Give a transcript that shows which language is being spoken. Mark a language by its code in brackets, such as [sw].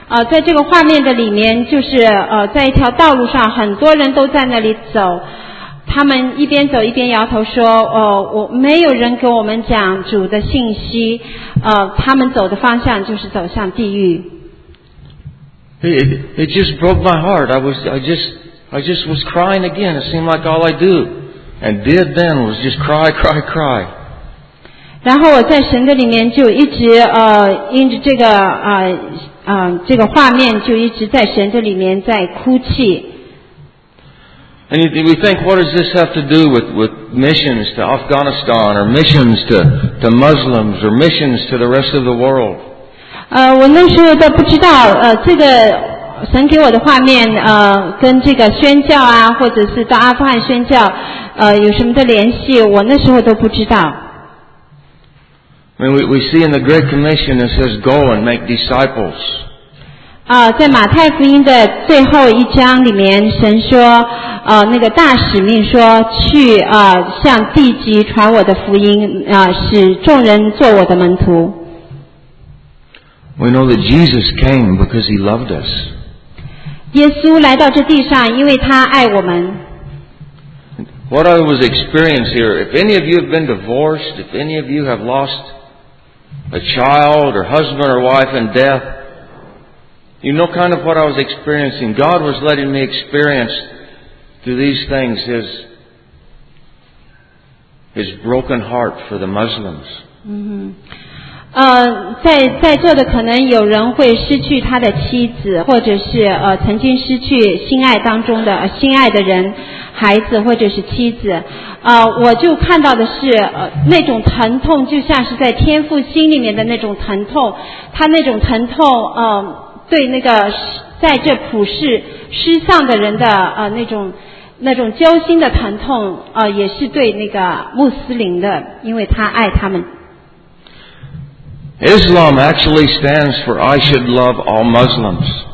[zh] 在这个画面的里面就是在一条道路上很多人都在那里走。他们一边走一边摇头说我没有人给我们讲主的信息，他们走的方向就是走向地狱。 [en] It just broke my heart. I just was crying again. It seemed like all I do and did then was just cry, cry, cry. [zh] 然后我在神的里面就一直因着这个这个画面就一直在神的里面在哭泣。 [en] And we think, what does this have to do with missions to Afghanistan or missions to Muslims or missions to the rest of the world? [zh] 我那时候都不知道这个神给我的画面跟这个宣教啊或者是到阿富汗宣教有什么的联系，我那时候都不知道。 [en] I mean, we see in the Great Commission it says, go and make disciples. [zh] 在马太福音的最后一章里面神说那个大使命说去向地级传我的福音使众人做我的门徒。 [en] We know that Jesus came because he loved us. [zh] 耶稣来到这地上因为他爱我们。 [en] What I was experiencing here, if any of you have been divorced, if any of you have lost a child or husband or wife in death, you know kind of what I was experiencing. God was letting me experience through these things his broken heart for the Muslims. [zh] 在座的可能有人会失去他的妻子，或者是曾经失去心爱当中的心爱的人，孩子或者是妻子，我就看到的是那种疼痛，就像是在天父心里面的那种疼痛，他那种疼痛，对那个在这普世失丧的人的那种揪心的疼痛，也是对那个穆斯林的，因为他爱他们。 [en] Islam actually stands for I should love all Muslims.